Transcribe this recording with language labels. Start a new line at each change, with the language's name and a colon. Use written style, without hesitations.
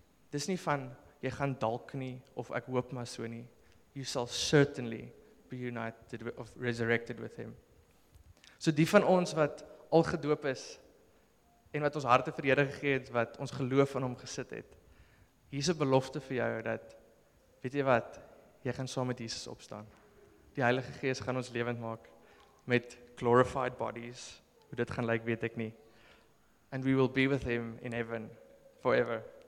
Afrikaans: Dis nie van, jy gaan dalk nie, of ek hoop maar so nie.
English: You shall certainly be united of resurrected with him.
Afrikaans: So die van ons wat al gedoop is en wat ons harte vir Here gegee het, wat ons geloof in hom gesit het. Hier's 'n belofte vir jou dat weet jy wat, jy gaan saam met Jesus opstaan. Die Heilige Gees gaan ons lewend maak met glorified bodies. Hoe dit gaan lyk, weet ek nie.
English: And we will be with him in heaven forever.